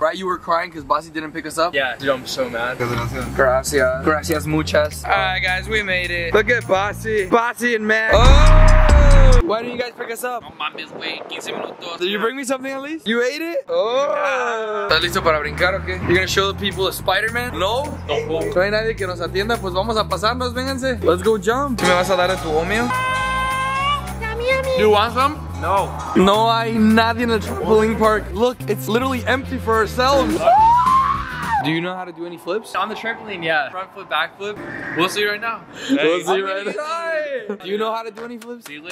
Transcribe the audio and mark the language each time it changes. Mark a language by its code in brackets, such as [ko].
[en] Right, you were crying because Basi didn't pick us up? Yeah, dude, I'm so mad. [es] Gracias. Gracias muchas. [en] Alright, guys, we made it. Look at Basi. Basi and Matt. Oh! Why didn't you guys pick us up? [es] No mames, wey, 15 minutos. [en] Did you bring me something at least? You ate it? Oh! [es] ¿Estás listo para brincar o qué? [en] You gonna show the people a Spider-Man? No. [es] No hay nadie que nos atienda, pues vamos a pasarnos, vénganse. [en] Let's go jump. [es] ¿Tú me vas a dar a tu homio? [en] Do you want some? No. [es] No hay nadie [en] in the trampoline park. Look, it's literally empty for ourselves. Do you know how to do any flips? On the trampoline, yeah. Front flip, back flip. We'll see right now. Hey, we'll see I'm right now. Do you know how to do any flips?